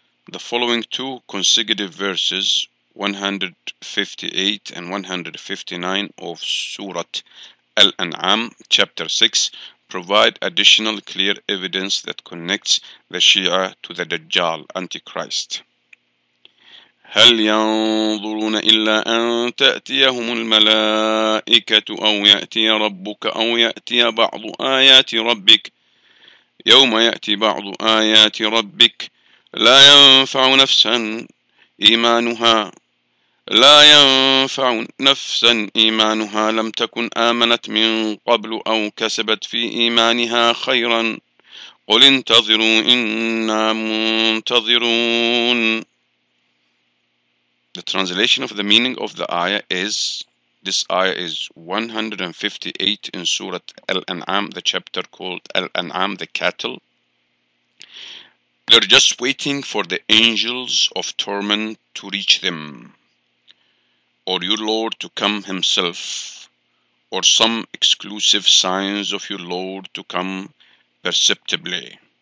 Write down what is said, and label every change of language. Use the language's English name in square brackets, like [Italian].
[English] The following two consecutive verses, 158 and 159 of Surah Al-An'am, chapter 6, provide additional clear evidence that connects the Shia to the Dajjal, Antichrist. [Arabic] هل ينظرون إلا أن تأتيهم الملائكة أو يأتي ربك أو يأتي بعض آيات ربك يوم يأتي بعض آيات ربك لا ينفع نفسا إيمانها لم تكن آمنت من قبل أو كسبت في إيمانها خيرا قل انتظروا إنا منتظرون. [English] The translation of the meaning of the ayah is, this ayah is 158 in Surah Al-An'am, the chapter called Al-An'am, the cattle. They're just waiting for the angels of torment to reach them, or your Lord to come himself, or some exclusive signs of your Lord to come perceptibly.